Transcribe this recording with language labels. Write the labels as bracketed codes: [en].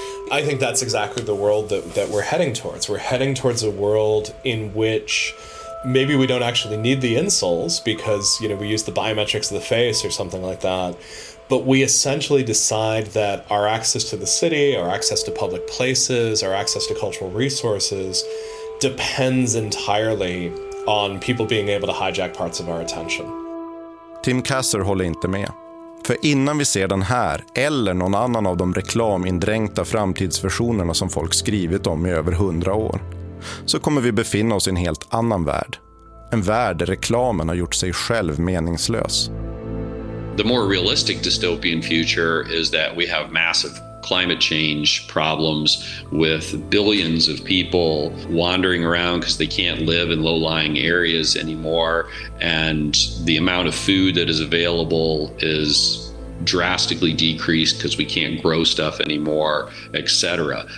[en] I think that's exactly the world that we're heading towards. We're heading towards a world in which maybe we don't actually need the insoles because, you know, we use the biometrics of the face or something like that. But we essentially decide that our access to the city, our access to public places, our access to cultural resources depends entirely on people being able to hijack parts of our attention. [sv] Tim Kasser håller inte med. För innan vi ser den här eller någon annan av de reklamindränkta framtidsversionerna som folk skrivit om i över 100 år, så kommer vi befinna oss i en helt annan värld. En värld där reklamen har gjort sig själv meningslös. [en] The more realistic dystopian future is that we have massive climate change problems with billions of people wandering around because they can't live in low-lying areas anymore, and the amount of food that is available is drastically decreased because we can't grow stuff anymore, etc.